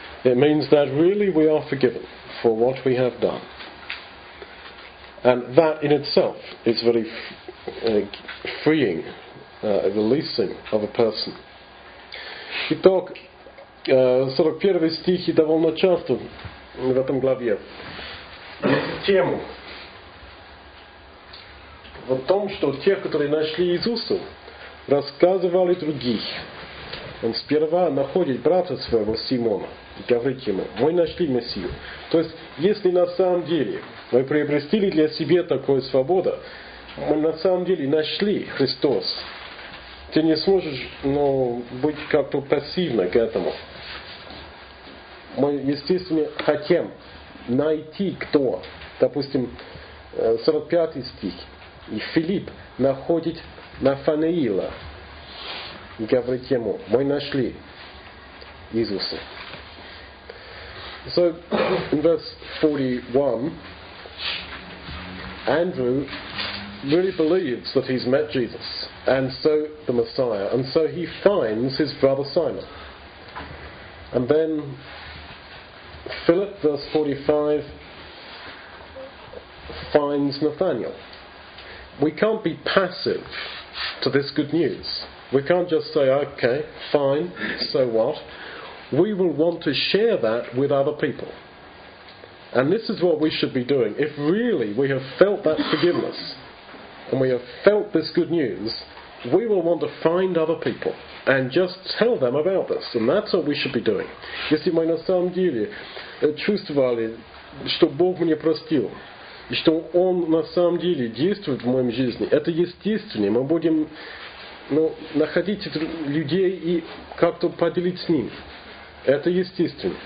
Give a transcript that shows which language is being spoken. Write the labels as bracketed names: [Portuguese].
[English] It means that really we are forgiven for what we have done. And that in itself is very freeing, releasing of a person. [Russian] Итог, 41 стихи довольно часто в этом главе. Тему в том, что те, которые нашли Иисуса, рассказывали других. Он сперва находит брата своего Симона и говорит ему: «Мы нашли Мессию». То есть, если на самом деле мы приобрестили для себя такую свободу, мы на самом деле нашли Христос, ты не сможешь, ну, быть как-то пассивно к этому. Мы, естественно, хотим найти кто. Допустим, 45 стих. И Филипп находит Нафанаила и говорит ему: «Мы нашли Иисуса». [English] So, in verse 41, Andrew really believes that he's met Jesus, and so the Messiah, and so he finds his brother Simon. And then Philip, verse 45, finds Nathanael. We can't be passive to this good news. We can't just say, okay, fine, so what? We will want to share that with other people. And this is what we should be doing. If really we have felt that forgiveness and we have felt this good news, we will want to find other people and just tell them about this. And that's what we should be doing. [Russian] Если мы на самом деле чувствовали, что Бог меня простил, и что Он на самом деле действует в моем жизни, это естественно. Мы будем находить людей и как-то поделить с ним. Это естественно.